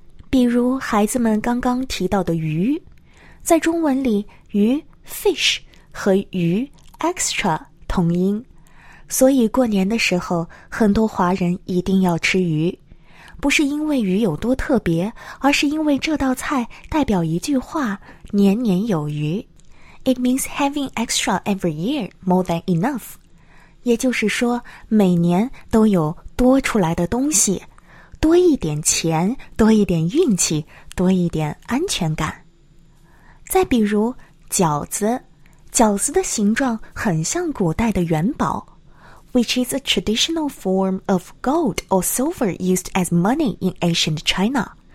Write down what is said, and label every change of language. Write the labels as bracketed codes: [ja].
[zh] 比如孩子们刚刚提到的鱼，在中文里鱼 fish 和鱼 extra 同音，所以过年的时候很多华人一定要吃鱼，不是因为鱼有多特别，而是因为这道菜代表一句话，年年有余。 [en] It means having extra every year, more than enough. [zh] 也就是说每年都有多出来的东西，多一点钱，多一点运气，多一点安全感。再比如饺子，饺子的形状很像古代的元宝， [en] which is a traditional form of gold or silver used as money in ancient China.